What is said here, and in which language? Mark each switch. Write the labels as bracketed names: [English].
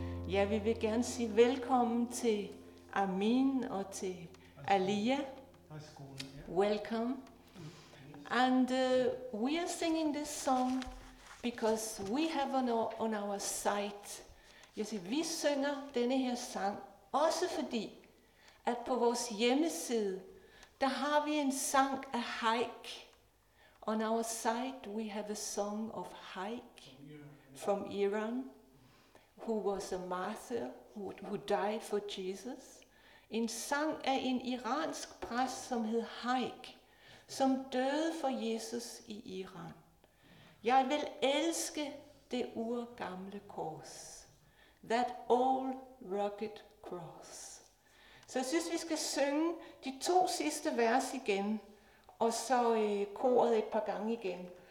[Danish] Ja, vi vil gerne sige velkommen til Amin og til Aliyah. [English] Welcome. And we are singing this song because we have on our sight. [Danish] Jeg siger, vi synger denne her sang også fordi, at på vores hjemmeside, der har vi en sang af Haik. [English] On our site, we have a song of Haik from Iran, who was a martyr, who died for Jesus. [Danish] En sang af en iransk præst, som hed Haik, som døde for Jesus i Iran. Jeg vil elske det urgamle kors. [English] That old rugged cross. [Danish] Så jeg synes, vi skal synge de to sidste vers igen, og så koret et par gange igen.